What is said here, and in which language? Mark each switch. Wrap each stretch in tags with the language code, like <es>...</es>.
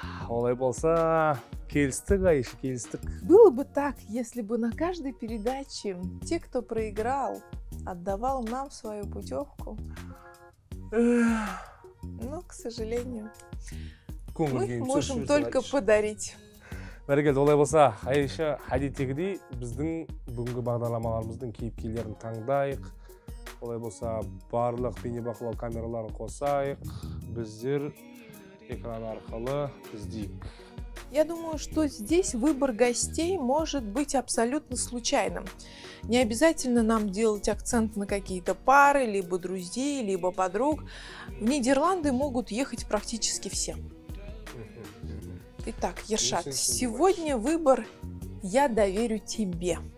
<kk>Олай болса, келістік, Айша, келістік.</kk> <ru>Было бы так, если бы на каждой передаче те, кто проиграл, отдавал нам свою путевку. Но, к сожалению, мы можем только подарить.</ru> <kk>Бәрекелді, олай болса, Айша, әдеттегідей, біздің бүгінгі бағдарламаларымыздың кейіпкерлерін таңдайық. Олай болса, барлық бейнебақылау камераларын қосайық. Біздер экран арқылы іздейік.</kk> <ru>Я думаю, что здесь выбор гостей может быть абсолютно случайным. Не обязательно нам делать акцент на какие-то пары, либо друзей, либо подруг. В Нидерланды могут ехать практически все. Итак, Ершат, сегодня выбор я доверю тебе.</ru>